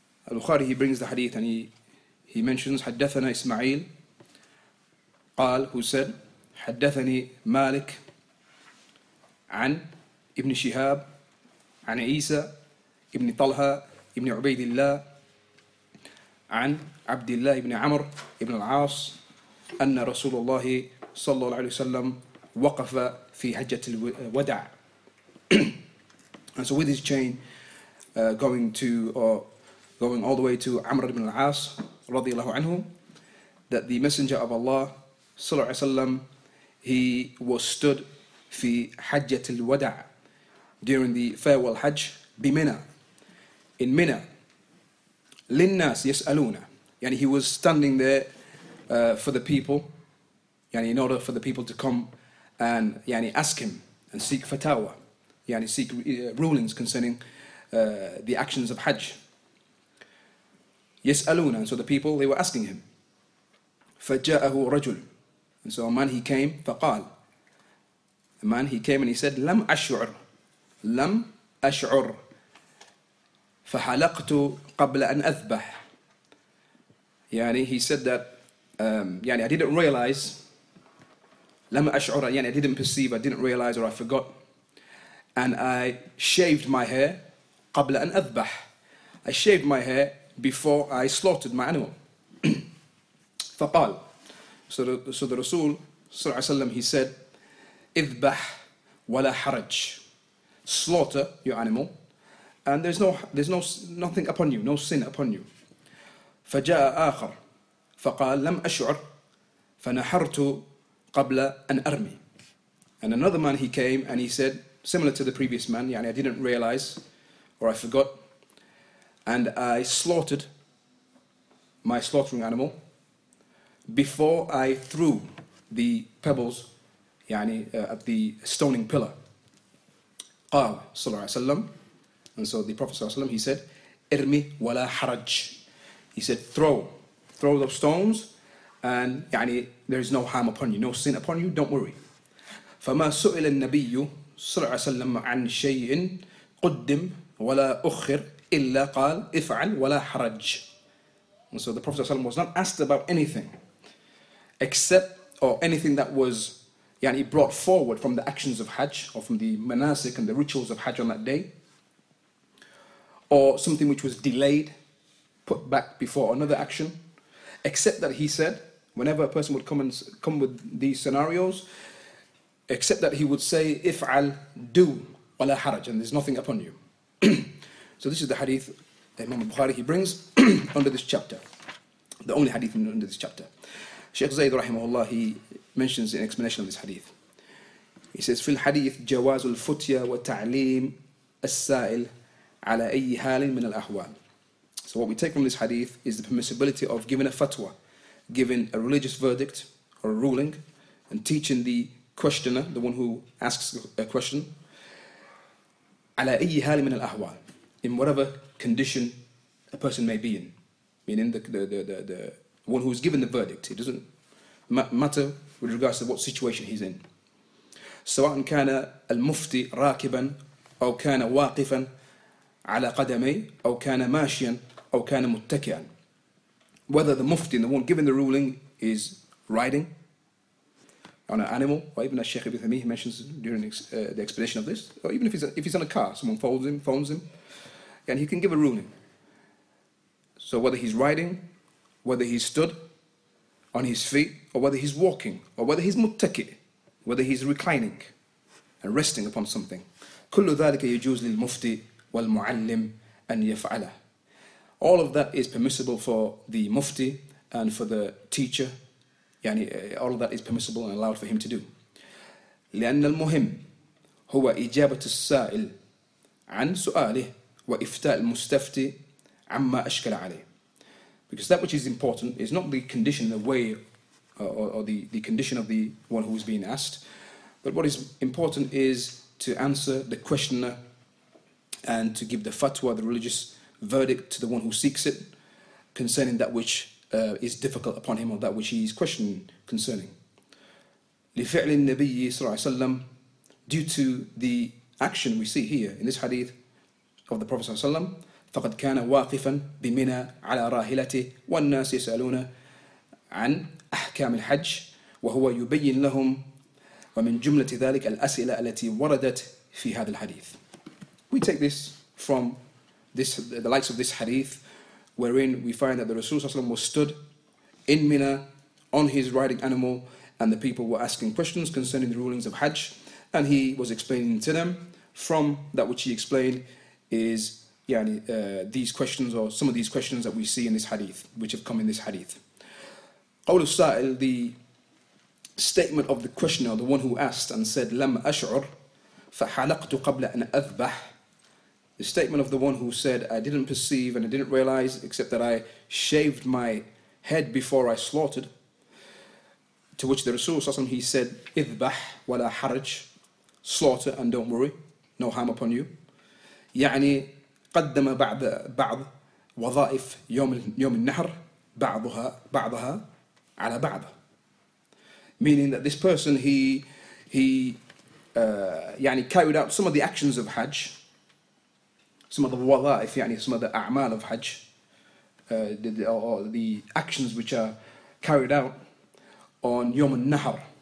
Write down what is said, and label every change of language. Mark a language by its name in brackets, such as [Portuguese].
[Arabic] البخاري, [English] he brings the hadith and he mentions [Arabic] حدثنا إسماعيل قال, [English] who said [Arabic] حدثني مالك عن ابن شهاب عن عيسى ابن طلحة ابن عبيد الله عن عبد الله ابن عمر ابن العاص أن رسول الله صلى الله عليه وسلم وقف في حجة الوداع. [English] And so with this chain going all the way to Amr ibn al-As radiyallahu anhu, that the Messenger of Allah sallallahu alayhi wa sallam, he was stood [Arabic] fi hajjat al-wada' [English] during the farewell hajj bi Mina, in Mina, [Arabic] linnas yas'aluna, [English] yani he was standing there for the people, yani in order for the people to come and yani ask him and seek fatawa, yani seek rulings concerning the actions of hajj. يسألونه, and so the people, they were asking him. [Arabic] فجاءه رجل, [English] and so a man he came, فقال, a man he came and he said, [Arabic] لم أشعر, لم أشعر, فحلقت قبل أن أذبح. [English] يعني he said that, يعني I didn't realize, [Arabic] لم أشعر, [English] يعني I didn't perceive, I didn't realize or I forgot, and I shaved my hair [Arabic] قبل أن أذبح. [English] I shaved my hair before I slaughtered my animal. فقال, so the Rasul sallallahu alaihi wasallam, he said, [Arabic] اذبح ولا حرج, [English] slaughter your animal and there's nothing upon you, no sin upon you. [Arabic] فجاء آخر فقال لم أشعر فنحرت قبل أن أرمي. [English] And another man he came and he said, similar to the previous man, يعني I didn't realize or I forgot, and I slaughtered my slaughtering animal before I threw the pebbles يعني, at the stoning pillar. [Arabic] قال صلى الله عليه وسلم, [English] and so the Prophet [Arabic] صلى الله عليه وسلم, [English] he said, [Arabic] ارمي ولا حرج. [English] He said, throw those stones and يعني, there is no harm upon you, no sin upon you, don't worry. [Arabic] فما سئل النبي صلى الله عليه وسلم عن شيء قدم ولا أخر إلا قال إفعل ولا حرج. [English] And so the Prophet ﷺ was not asked about anything except or anything that was يعني brought forward from the actions of Hajj or from the manasik and the rituals of Hajj on that day, or something which was delayed, put back before another action, except that he said, whenever a person would come with these scenarios, except that he would say إفعل do [Arabic] ولا حرج, [English] and there's nothing upon you. So this is the hadith that Imam Bukhari he brings under this chapter. The only hadith under this chapter. Sheikh Zayd rahimahullah, he mentions an explanation of this hadith. He says, [Arabic] في الحديث جواز الفتية وتعليم السائل على أي حال من الأحوال. [English] So what we take from this hadith is the permissibility of giving a fatwa, giving a religious verdict or a ruling, and teaching the questioner, the one who asks a question, [Arabic] على أي حال من الأحوال, [English] in whatever condition a person may be in, meaning the one who is given the verdict. It doesn't matter with regards to what situation he's in. [Arabic] سواء كان المفتي راكبا أو كان واقفا على قدمي أو كان ماشيا أو كان متكئا. [English] Whether the mufti, the one given the ruling, is riding on an animal, or even as Sheikh Ibn Thamih mentions during the explanation of this, or even if he's on a car, someone phones him, and he can give a ruling. So whether he's riding, whether he's stood, on his feet, or whether he's walking, or whether he's muttaki, whether he's reclining and resting upon something. [Arabic] كل ذلك يجوز للمفتي والمعلم أن يفعله. [English] All of that is permissible for the mufti and for the teacher. يعني all of that is permissible and allowed for him to do. [Arabic] لأن المهم هو إجابة السائل عن سؤاله وإفتاء المستفتي عما أشكل عليه. [English] Because that which is important is not the condition, the way, or the condition of the one who is being asked, but what is important is to answer the questioner and to give the fatwa, the religious verdict, to the one who seeks it concerning that which is difficult upon him or that which he is questioning concerning. [Arabic] لفعل النبي صلى الله عليه وسلم, [English] due to the action we see here in this hadith of the Prophet [Arabic] صلى الله عليه وسلم, فقد كان واقفا بمنى على راحلته والناس يسألون عن أحكام الحج وهو يبين لهم ومن جملة ذلك الأسئلة التي وردت في هذا الحديث. [English] We take this from this, the likes of this hadith, wherein we find that the Rasulullah was stood in Mina on his riding animal, and the people were asking questions concerning the rulings of Hajj, and he was explaining to them. From that which he explained is these questions, or some of these questions that we see in this hadith, which have come in this hadith. [Arabic] قول السائل, [English] the statement of the questioner, the one who asked and said, [Arabic] لم أشعر فحلقت قبل أن أذبح. [English] The statement of the one who said, I didn't perceive and I didn't realize except that I shaved my head before I slaughtered. To which the Rasulullah, he said, [Arabic] اذبح ولا حرج, [English] slaughter and don't worry, no harm upon you. [Arabic] يعني قدم بعض وظائف يوم النحر بعضها على بعض. [English] Meaning that this person, he carried out some of the actions of Hajj, some of the wada'if, some of the a'mal of Hajj, the actions which are carried out on Yom al-Nahr.